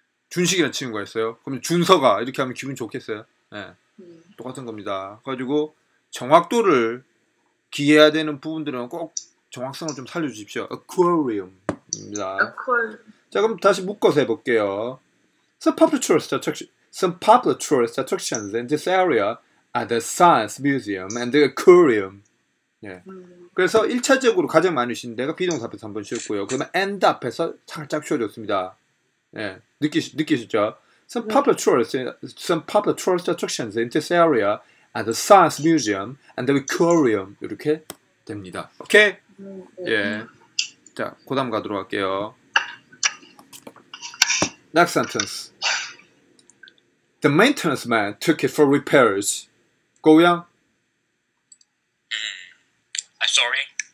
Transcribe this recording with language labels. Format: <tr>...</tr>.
<ko>준식이란 친구가 있어요. 그럼 준서가 이렇게 하면 기분 좋겠어요. 예. 똑같은 겁니다. 그래가지고 정확도를 기해야 되는 부분들은 꼭 정확성을 좀 살려주십시오. Aquarium입니다.</ko> <en>Aquarium.</en> <ko>자, 그럼 다시 묶어서 해볼게요.</ko> <en>Some popular tourist attractions in this area are the Science Museum and the Aquarium.</en> <ko>예. 그래서 1차적으로 가장 많으신 데가 비동사 앞에서 한번 쉬었고요. 그러면 and 앞에서 살짝 쉬어줬습니다. 예, 느끼시죠?</ko> <en>Some popular tourist attractions in this area are the Science Museum and the Aquarium.</en> <ko>이렇게 됩니다. 오케이? 예. 자, 그 다음 가도록 할게요.</ko> <en>Next sentence. The maintenance man took it for repairs.</en> <ko>고우양?</ko> <en>I'm sorry.</en>